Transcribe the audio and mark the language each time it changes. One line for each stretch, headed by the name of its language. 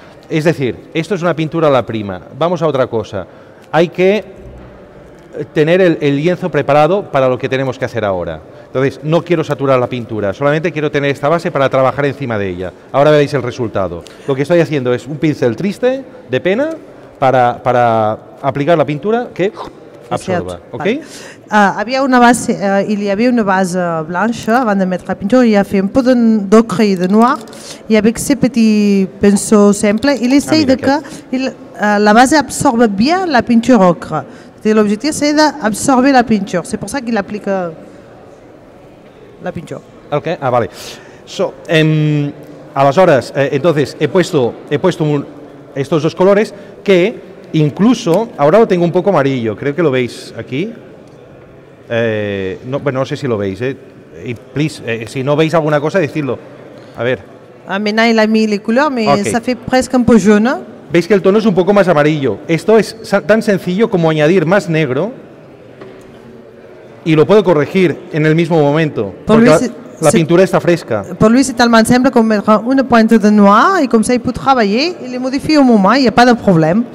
Spanish: Es decir, esto es una pintura a la prima. Vamos a otra cosa. Hay que tener el lienzo preparado para lo que tenemos que hacer ahora. Entonces, no quiero saturar la pintura, solamente quiero tener esta base para trabajar encima de ella. Ahora veréis el resultado. Lo que estoy haciendo es un pincel triste, de pena, para aplicar la pintura que absorba. ¿Ok? Había una base,
French: il y avait une base blanche avant de mettre la peinture, il a fait un peu d'ocre et de noir, et avec ce petit pinceau simple, il essaye de que la base absorbe bien la peinture ocre. L'objectif, c'est d'absorber la peinture. C'est pour ça qu'il applique la peinture. Ok, ah, vale.
Spanish: So, aleshores, entonces, he puesto estos dos colores que incluso, ahora lo tengo un poco amarillo, creo que lo veis aquí. No, bueno, no sé si lo veis, y please, si no veis alguna cosa, decidlo. A ver.
French: Ah, maintenant il a mis les couleurs, mais ça fait presque un peu jaune.
Spanish: Veis que el tono es un poco más amarillo. Esto es tan sencillo como añadir más negro y lo puedo corregir en el mismo momento. La pintura está fresca.
French: Por lui c'est tellement simple qu'on mettra una pointe de noir y comme ça il peut travailler, il le modifie au moment, y a pas de problème.